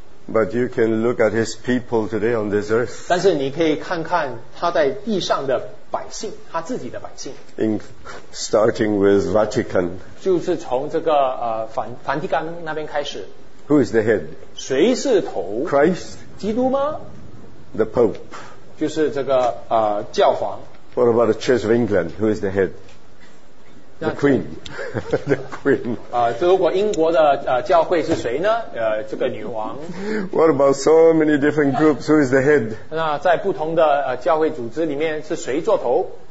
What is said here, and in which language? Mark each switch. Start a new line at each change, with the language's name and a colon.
English: But you can look at his people today on this earth.
Chinese: 但是你可以看看他在地上的百姓，他自己的百姓。
English: In starting with Vatican.
Chinese: 就是从这个梵蒂冈那边开始。
English: Who is the head?
Chinese: 谁是头？
English: Christ.
Chinese: 基督吗？
English: The Pope.
Chinese: 就是这个教皇。
English: What about the Church of England? Who is the head? The Queen. The Queen.
Chinese: 如果英国的教会是谁呢？这个女王。
English: What about so many different groups? Who is the head?
Chinese: 那在不同的教会组织里面是谁做头？